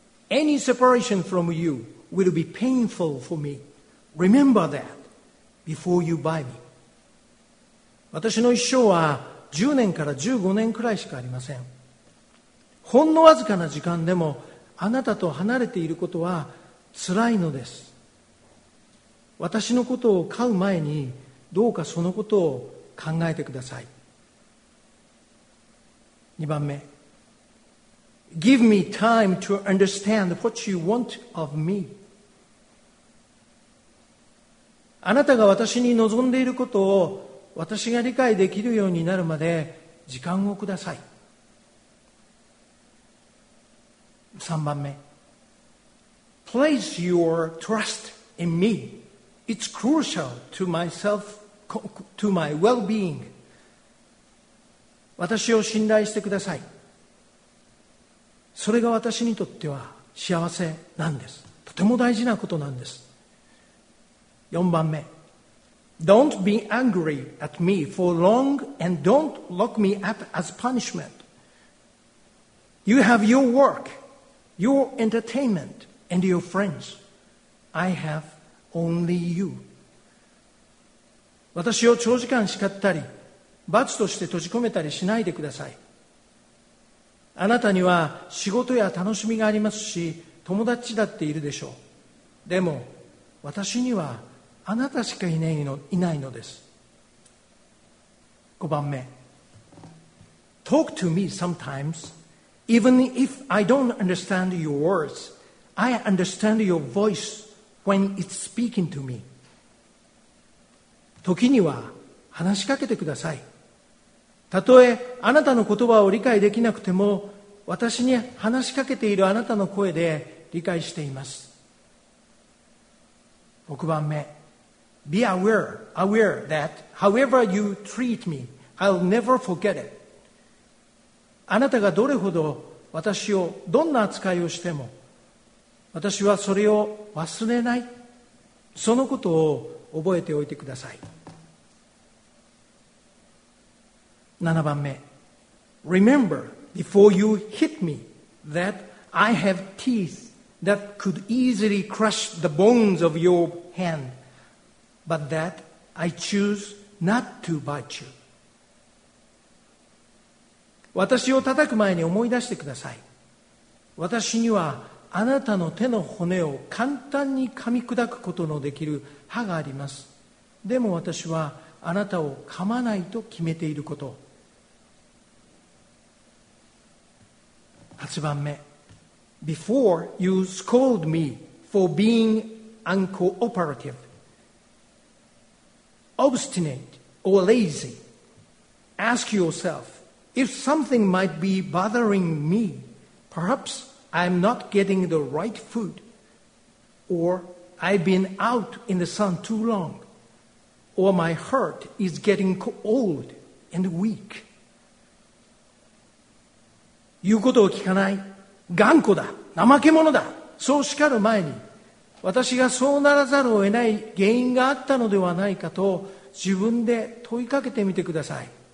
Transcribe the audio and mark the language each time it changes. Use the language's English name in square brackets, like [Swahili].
[English] Any separation from you will be painful for me. Remember that before you buy me. [Japanese] 私の一生は10年から15年くらいしかありません。ほんのわずかな時間でもあなたと離れていることはつらいのです。私のことを飼う前にどうかそのことを考えてください。 2番目、 [English] Give me time to understand what you want of me。 [Japanese] あなたが私に望んでいることを私が理解できるようになるまで時間をください。 3番目、 [English] Place your trust in me. It's crucial to my well-being. [Japanese] 私を信頼してください。それが私にとっては幸せなんです。とても大事なことなんです。 4番目、 [English] Don't be angry at me for long and don't lock me up as punishment. You have your work, your entertainment and your friends. I have only you. [Japanese] 私を長時間叱ったり罰として閉じ込めたりしないでください。あなたには仕事や楽しみがありますし、友達だっているでしょう。でも私にはあなたしかいないのです。 5番目、 [English] Talk to me sometimes. Even if I don't understand your words, I understand your voice when it's speaking to me. [Japanese] 時には話しかけてください。たとえあなたの言葉を理解できなくても、私に話しかけているあなたの声で理解しています。 6番目。 [English] Be aware that however you treat me, I'll never forget it. [Japanese] あなたがどれほど私をどんな扱いをしても、私はそれを忘れない。そのことを覚えておいてください。 7番目。 [English] Remember before you hit me that I have teeth that could easily crush the bones of your hand, but that I choose not to bite you. [Japanese] 私を叩く前に思い出してください。私にはあなたの手の骨を簡単に噛み砕くことのできる歯があります。でも私はあなたを噛まないと決めていること。 8番目。 [English] Before you scold me for being uncooperative, obstinate or lazy, ask yourself if something might be bothering me. Perhaps I'm not getting the right food, or I've been out in the sun too long, or my heart is getting old and weak. [Japanese] 言うことを聞かない、頑固だ、怠け者だ、そう叱る前に、私がそうならざるを得ない原因があったのではないかと自分で問いかけてみてください。